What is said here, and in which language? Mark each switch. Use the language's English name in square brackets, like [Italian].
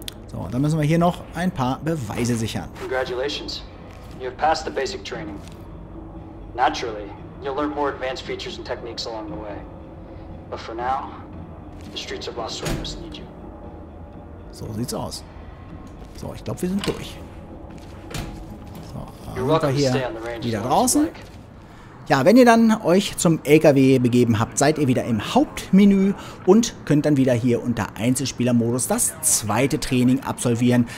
[German] So, dann müssen wir hier noch ein paar Beweise sichern. [English] Congratulations. You have passed the basic training. Naturally, you'll learn more advanced features and techniques along the way. But for now, the streets of Los Sueños need you. [German] So sieht's aus. So, ich glaube, wir sind durch. So, wir hier wieder draußen. Ja, wenn ihr dann euch zum LKW begeben habt, seid ihr wieder im Hauptmenü und könnt dann wieder hier unter Einzelspielermodus das zweite Training absolvieren.